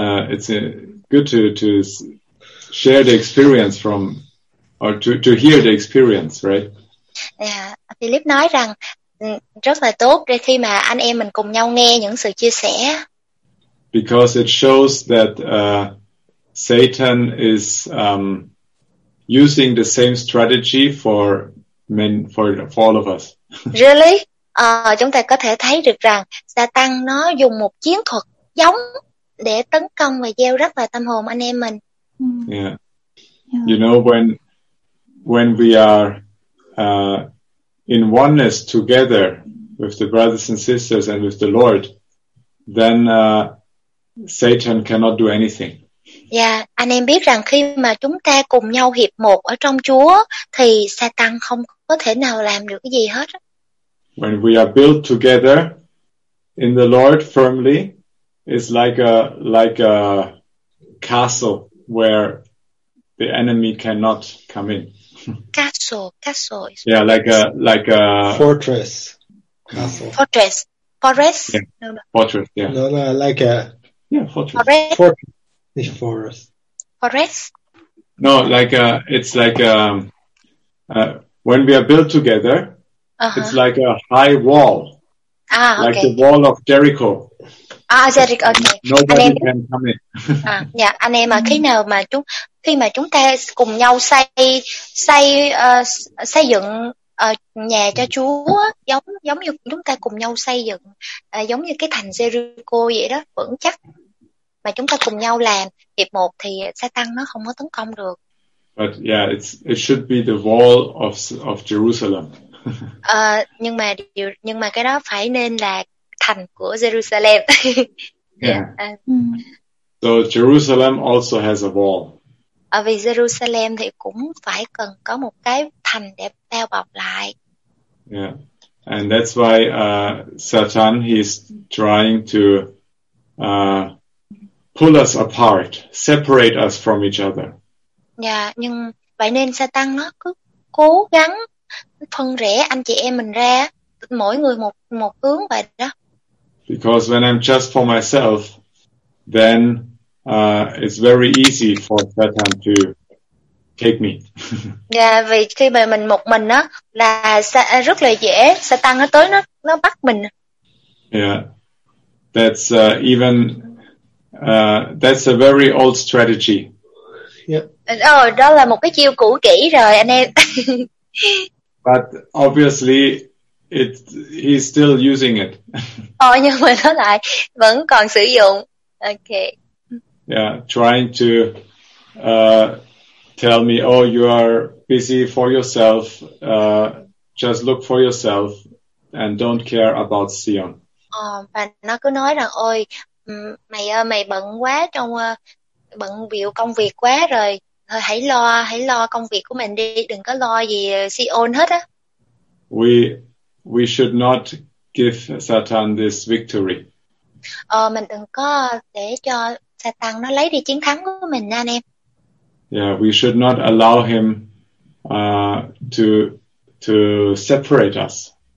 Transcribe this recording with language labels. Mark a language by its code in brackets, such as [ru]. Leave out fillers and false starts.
[en] It's good to share the experience from, or to hear the experience, right? [vi] Yeah, Philip nói rằng rất là tốt để khi mà anh em mình cùng nhau nghe những sự chia sẻ. [en] Because it shows that Satan is using the same strategy for all of us. Really? [vi] Chúng ta có thể thấy được rằng Satan nó dùng một chiến thuật giống để tấn công và gieo rắc vào tâm hồn anh em mình. Yeah. [en] You know, when we are in oneness together with the brothers and sisters and with the Lord, then Satan cannot do anything. [vi] Yeah, anh em biết rằng khi mà chúng ta cùng nhau hiệp một ở trong Chúa thì Satan không có thể nào làm được cái gì hết. [en] When we are built together in the Lord firmly, it's like a castle where the enemy cannot come in. Castle. Yeah, like a fortress. Castle. Fortress. Forest. Yeah. No. Fortress. Yeah. No. Like a. Yeah. Fortress. Fortress. Forest. Forest. No, it's like when we are built together, uh-huh. It's like a high wall. Ah. Like okay. The wall of Jericho. Ah, Jericho. Okay. Nobody can come in. [vi] Dạ, yeah, anh em mà khi nào mà chúng ta cùng nhau xây dựng nhà cho Chúa giống như chúng ta cùng nhau xây dựng giống như cái thành Jericho vậy đó, vững chắc, mà chúng ta cùng nhau làm hiệp một thì Satan nó không có tấn công được. [en] But yeah, it should be the wall of Jerusalem. [vi] nhưng mà cái đó phải nên là thành của Jerusalem. [en] Yeah. So Jerusalem also has a wall. [vi] Ở vì Jerusalem thì cũng phải cần có một cái thành để bao bọc lại. Yeah. [en] And that's why Satan he's trying to pull us apart, separate us from each other. [vi] Yeah, nhưng vậy nên Satan nó cứ cố gắng phân rẽ anh chị em mình ra, mỗi người một hướng vậy đó. [en] Because when I'm just for myself, then it's very easy for Satan to take me. [vi] Yeah, vì khi mà mình một mình á là rất là dễ Satan nó tới nó bắt mình. [en] Yeah, that's that's a very old strategy. Yeah. [vi] Oh, đó là một cái chiêu cũ kỹ rồi anh em. But obviously, he's still using it. Oh, nhưng mà nó lại vẫn còn sử dụng. Okay. [en] Yeah, trying to tell me, oh, you are busy for yourself. Just look for yourself and don't care about Sion. [vi] Và nó cứ nói rằng, ôi, mày ơi, mày bận quá trong bận biểu công việc quá rồi. Thôi hãy lo công việc của mình đi. Đừng có lo gì Sion hết á. [en] We should not give Satan this victory. [vi] Mình đừng có để cho Satan nó lấy đi chiến thắng của mình nha anh em. [en] Yeah, we should not allow him to separate us.